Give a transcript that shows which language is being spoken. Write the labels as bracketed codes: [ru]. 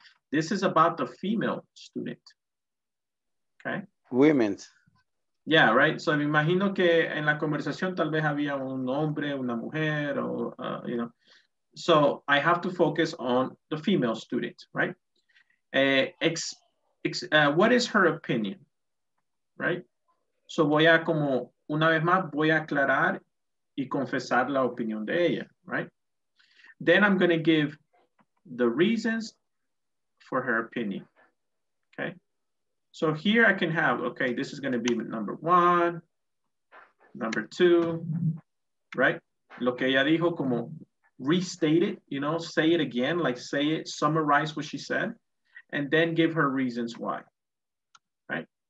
[en] This is about the female student, okay? Women. [es] Yeah, right? So me imagino que en la conversación tal vez había un hombre, una mujer, or, you know. [en] So I have to focus on the female student, right? What is her opinion, right? [es] So voy a como, una vez más, voy a aclarar y confesar la opinión de ella, right? [en] Then I'm gonna give the reasons for her opinion, okay? So here I can have, okay, this is gonna be number one, number two, right? [es] Lo que ella dijo, como [en] restate it, you know, say it again, like say it, summarize what she said, and then give her reasons why, right?